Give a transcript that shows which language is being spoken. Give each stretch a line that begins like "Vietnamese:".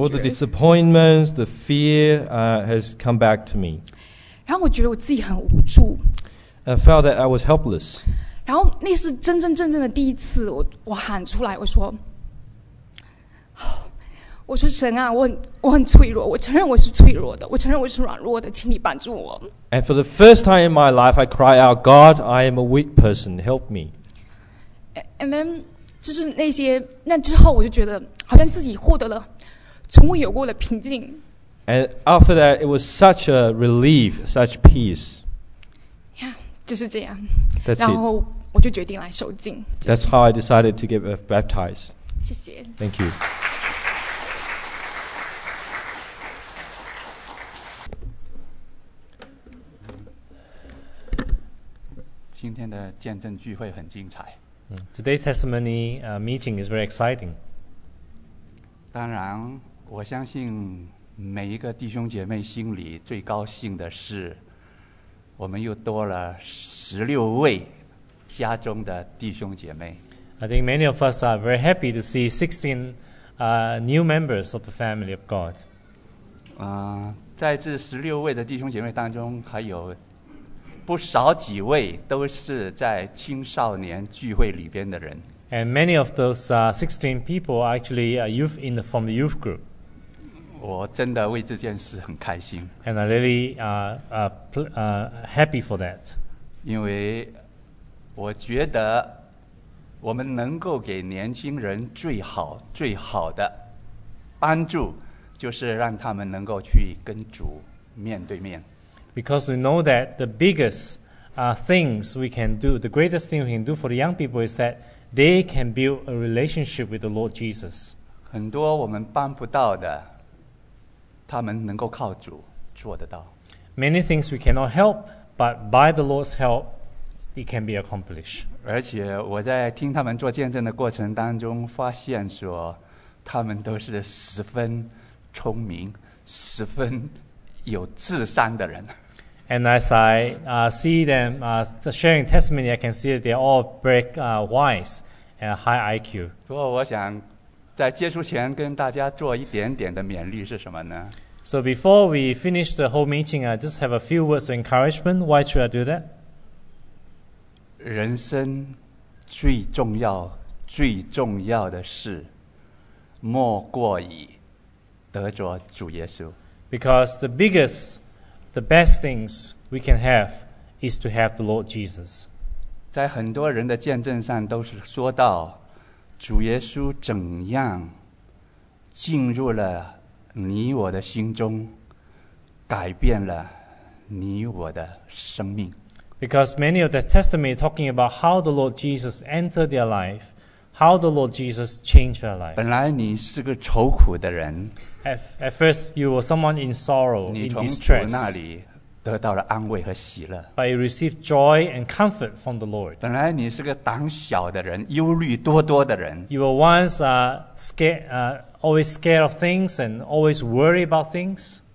English: All the disappointments, the fear has come back to me.
Chinese: 然后我觉得我自己很无助。
English: I felt that I was helpless.
Chinese: 然后那是真真正正的第一次，我喊出来，我说。我说神啊，我很脆弱，我承认我是脆弱的，我承认我是软弱的，请你帮助我。
English: And for the first time in my life, I cry out, God, I am a weak person, help me. And then,
Chinese: 就是那些，那之后我就觉得好像自己获得了从未有过的平静。
English: And after that, it was such a relief, such peace. Yeah,
Chinese: 就是这样。
English: That's it.
Chinese: 然后我就决定来受浸。
English: That's how I decided to get baptized.
Chinese: 谢谢。
English: Thank you.
Chinese: 今天的见证聚会很精彩。
English: Today's testimony meeting is very exciting.
Chinese: 当然，我相信每一个弟兄姐妹心里最高兴的是，我们又多了16位家中的弟兄姐妹。
English: I think many of us are very happy to see 16 new members of the family of God.
Chinese: 在这16位的弟兄姐妹当中，还有不少几位都是在青少年聚会里边的人。
English: And many of those 16 people are actually youth in the form of youth group.
Chinese: 我真的为这件事很开心。
English: And I really happy for that.
Chinese: 因为我觉得我们能够给年轻人最好最好的帮助，就是让他们能够去跟主面对面。
English: Because we know that the biggest things we can do, the greatest thing we can do for the young people is that they can build a relationship with the Lord Jesus.
Chinese: 很多我们帮不到的，他们能够靠主做得到。
English: Many things we cannot help, but by the Lord's help, it can be accomplished.
Chinese: 而且我在听他们做见证的过程当中发现说，他们都是十分聪明，十分有智商的人。
English: And as I see them sharing testimony, I can see that they're all very wise and high IQ.
Chinese: 不过我想在结束前跟大家做一点点的勉励是什么呢？
English: So before we finish the whole meeting, I just have a few words of encouragement. Why should I do that?
Chinese: 人生最重要最重要的事莫过于得着主耶稣。
English: Because the biggest, the best things we can have is to have the Lord Jesus.
Chinese: 在很多人的见证上都是说到主耶稣怎样进入了你我的心中，改变了你我的生命。
English: Because many of the testimony talking about how the Lord Jesus entered their life, how the Lord Jesus changed their life.
Chinese: 本来你是个愁苦的人。
English: At first, you were someone in sorrow, in distress.
Chinese: 你从主那里得到了安慰和喜乐。
English: But you received joy and comfort from the Lord.
Chinese: 本来你是个胆小的人，忧虑多多的人。
English: You were once always scared of things and always worry about things.